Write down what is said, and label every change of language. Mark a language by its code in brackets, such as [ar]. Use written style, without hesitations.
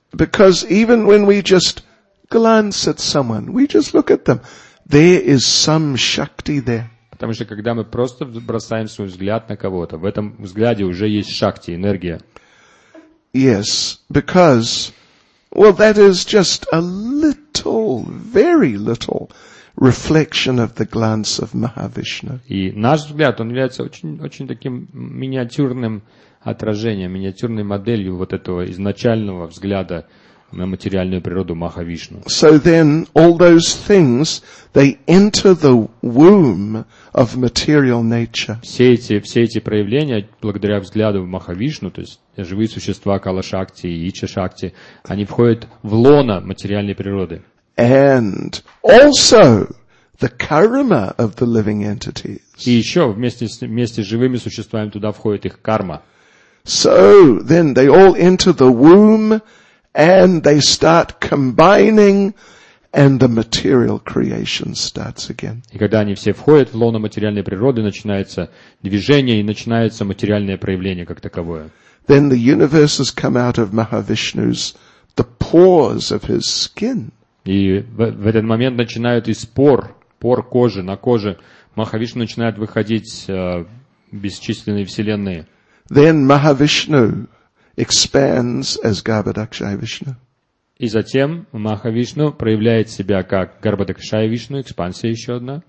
[en] Because even when we just glance at someone, we just look at them, there is some shakti there. [ru] Потому что когда мы просто бросаем свой взгляд на кого-то, в этом взгляде уже есть шакти, энергия. [en] Yes, because... Well, that is just a little, very little reflection of the glance of Mahavishnu. [ru] И наш взгляд, он является очень, очень таким миниатюрным отражением, миниатюрной моделью вот этого изначального взгляда на материальную природу Махавишну. [en] So then, all those things, they enter the womb of material nature. [ru] Все эти проявления, благодаря взгляду в Махавишну, то есть живые существа Калашакти и Ичашакти, они входят в лоно материальной природы. [en] And also the karma of the living entities. [ru] И еще вместе с живыми существами туда входит их карма. [en] So then, they all enter the womb. And they start combining, and the material creation starts again. [ru] И когда они все входят в лоно материальной природы, начинается движение и начинается материальное проявление как таковое. [en] Then the universes come out of Mahavishnu's the pores of his skin. [ru] И в этот момент начинают из пор кожи на коже Махавишну начинают выходить бесчисленные вселенные. [en] Then Mahavishnu expands as Garbhadakshaya Vishnu. [ru] И затем Махавишну проявляет себя как Гарбхадакшая Вишну, экспансия еще одна.